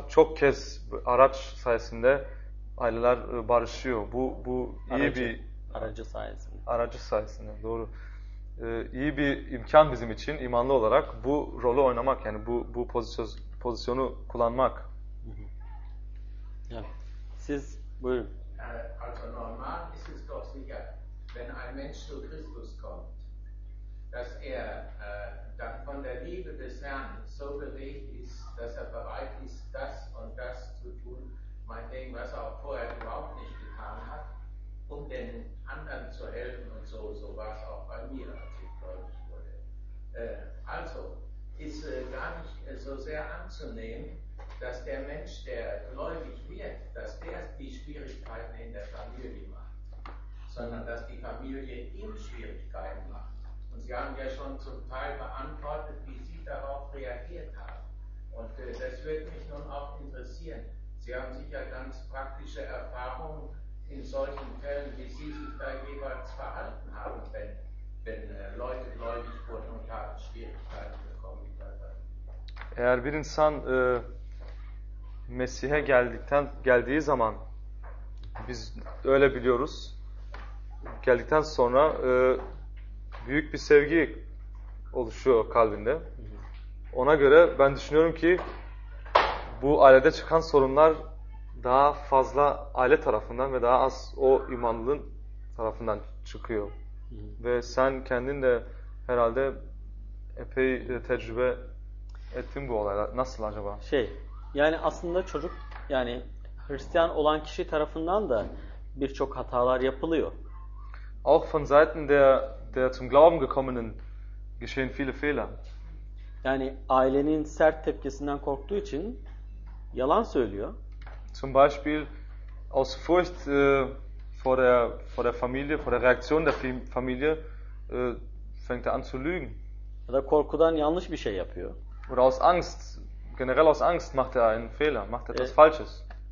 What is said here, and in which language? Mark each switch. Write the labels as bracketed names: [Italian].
[Turkish] Çok kez araç sayesinde aileler barışıyor. Bu iyi aracı. Bir aracı sayesinde. Aracı sayesinde, doğru. İyi bir imkan bizim için imanlı olarak bu rolü oynamak, yani bu pozisyonu kullanmak. Siz buyurun. [German] Also normal ist es doch sicher, wenn ein Mensch zu Christus kommt, dass er dann von der Liebe des Herrn so bewegt ist, dass er bereit ist, das und das zu tun, meinetwegen, was er auch vorher überhaupt nicht getan hat, um den anderen zu helfen und so. So war es auch bei mir, als ich gläubig wurde. Also ist gar nicht so sehr anzunehmen, dass der Mensch, der gläubig wird, dass der die Schwierigkeiten in der Familie macht, sondern dass die Familie ihm Schwierigkeiten macht. Und Sie haben ja schon zum Teil beantwortet, wie Sie darauf reagiert haben. Und das würde mich nun auch interessieren. Sie haben sicher ganz praktische Erfahrungen in solchen Fällen, wie Sie sich da jeweils verhalten haben, wenn Leute gläubig wurden und haben Schwierigkeiten bekommen. [Turkish] Eğer bir insan Mesih'e geldiği zaman, biz öyle biliyoruz, geldikten sonra büyük bir sevgi oluşuyor kalbinde. Ona göre ben düşünüyorum ki bu ailede çıkan sorunlar daha fazla aile tarafından ve daha az o imanlılığın tarafından çıkıyor. Ve sen kendin de herhalde epey tecrübe ettin bu olayla. Nasıl acaba? Yani aslında çocuk, yani Hristiyan olan kişi tarafından da birçok hatalar yapılıyor. [German] Auch von Seiten der zum Glauben gekommenen geschehen viele Fehler. [Turkish] Yani ailenin sert tepkisinden korktuğu için yalan söylüyor. [German] Zum Beispiel aus Furcht vor der Familie, vor der Reaktion der Familie fängt an zu lügen. [Turkish] Ya da korkudan yanlış bir şey yapıyor. [German] Oder aus Angst. Generell aus Angst macht einen Fehler, macht etwas Falsches.